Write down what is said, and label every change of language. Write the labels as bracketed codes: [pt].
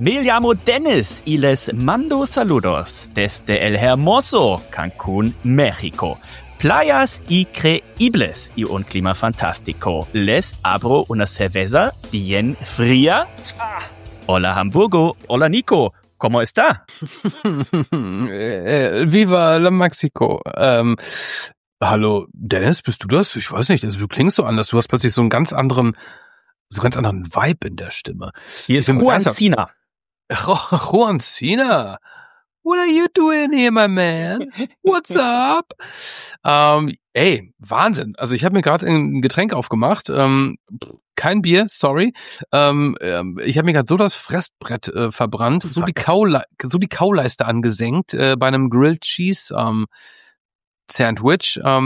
[es] Me llamo Dennis y les mando saludos desde el hermoso Cancún, México. Playas increíbles y un clima fantástico. Les abro una cerveza bien fría. Hola Hamburgo, hola Nico, ¿cómo está? Viva la Mexico. [de] Hallo Dennis, bist du das? Ich weiß nicht, also, du klingst so anders. Du hast plötzlich so einen ganz anderen... So ganz anderen Vibe in der Stimme. Hier ist Juan Cena. Juan Cena? [en] What are you doing here, my man? What's up? [de] Ey, Wahnsinn. Also ich habe mir gerade ein Getränk aufgemacht. Kein Bier, sorry. Ich habe mir gerade so das Fressbrett verbrannt, so die Kauleiste angesenkt bei einem Grilled Cheese Sandwich.